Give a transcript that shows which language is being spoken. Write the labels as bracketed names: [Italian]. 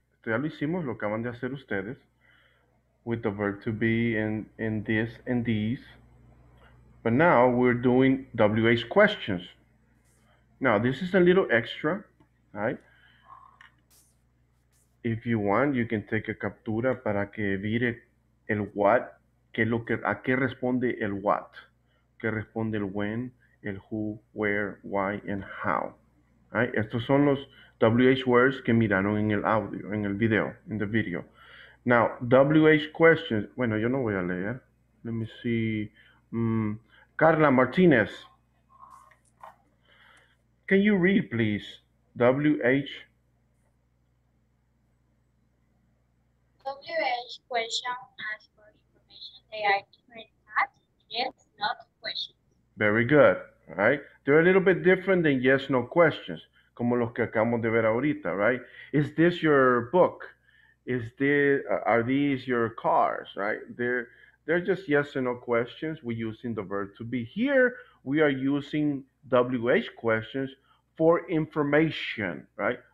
[Spanish] Esto ya lo hicimos, lo acaban de hacer ustedes. [English] With the verb to be in this and these. But now we're doing WH questions. Now, this is a little extra, right? If you want, you can take a [Spanish] captura para que vire el what, que lo que, a qué responde el what, que responde el when, el who, where, why, and how. Right? Estos son los WH words que miraron en el audio, en el video, [English] in the video. Now, WH questions. [Spanish] Bueno, yo no voy a leer. [English] Let me see. Carla Martinez. Can you read, please? WH. WH question asks for information. They are different than yes, no questions. Very good. All right. They're a little bit different than yes, no questions. [Spanish] Como los que acabamos de ver ahorita, [English] right? Is this your book? Is this, are these your cars, right? They're just yes or no questions. We're using the verb to be. Here, we are using WH questions for information, right?